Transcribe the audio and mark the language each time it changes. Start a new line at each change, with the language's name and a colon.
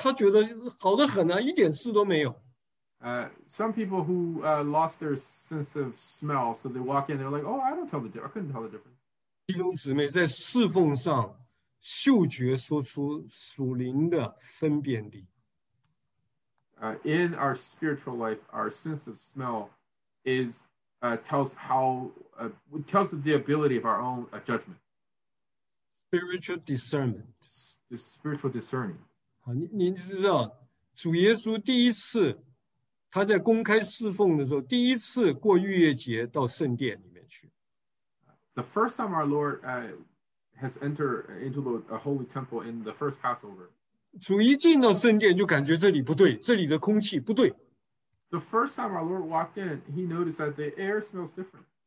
Chinese: 弟兄姊妹，但是有的人呢，他的鼻子不通气，走进来这味道很重，大家都闻到，他觉得好得很啊，一点事都没有。
English: Some people who lost their sense of smell, so they walk in, they're like, "Oh, I don't tell the difference. I couldn't tell the difference."
Chinese: 弟兄姊妹，在侍奉上。嗅觉说出属灵的分辨力。
English: In our spiritual life, our sense of smell is tells how tells the ability of our own judgment. Spiritual discernment. Spiritual discerning.
Chinese: 好，你知道主耶稣第一次他在公开侍奉的时候，第一次过逾越节到圣殿里面去。
English: The first time our Lord has entered into the holy temple in the first Passover.
Chinese: 主一进到圣殿就感觉这里不对，这里的空气不对。
English: The first time our Lord walked in, he noticed that the air smells different.